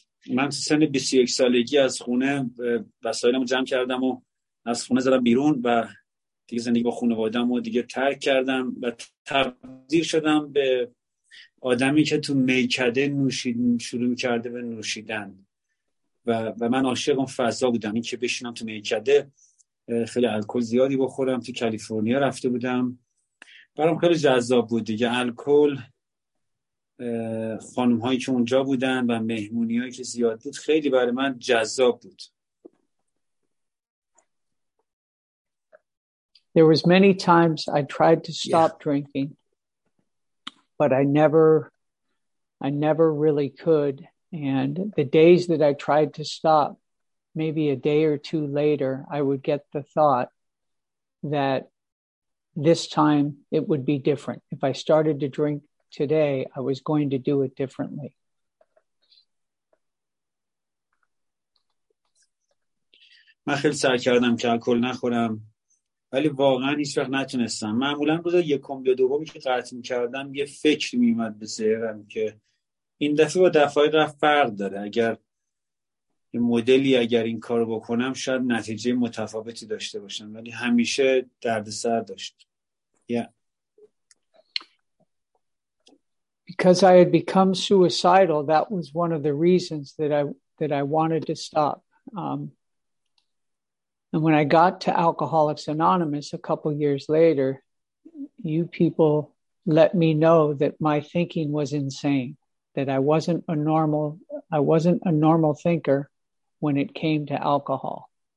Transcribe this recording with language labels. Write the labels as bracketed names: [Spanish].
[Persian] من سن 21 سالگی از خونه وسایلمو جمع کردم و از خونه زدم بیرون و دیگه زندگی با خانواده‌مو دیگه ترک کردم و تبدیل شدم به آدمی که تو میکده شروع کرده به نوشیدن و من عاشق اون فضا بودم، این که بشینم تو میکده خیلی الکل زیادی بخورم. تو کالیفرنیا رفته بودم، برام خیلی جذاب بود دیگه الکل، خانم هایی که اونجا بودن و مهمونی هایی که زیاد بود خیلی برای من جذاب بود. [English] There was many times I tried to stop drinking, but I never really could. And the days that I tried to stop, maybe a day or two later, I would get the thought that this time it would be different. If I started to drink today, I was going to do it differently. [Persian] من خیلی سعی کردم که الکل نخورم ولی واقعا هیچ وقت نتونستم. معمولا روز یکم یا دومی که قطع می‌کردم یه فکر میومد به ذهنم که این دفعه با دفعه قبل فرق داره، اگر یه مدلی اگر این کارو بکنم شاید نتیجه متفاوتی داشته باشم، ولی همیشه دردسر داشت. [English] Because I had become suicidal, that was one of the reasons that I wanted to stop. And when I got to Alcoholics Anonymous a couple years later, you people let me know that my thinking was insane, that I wasn't a normal thinker when it came to alcohol.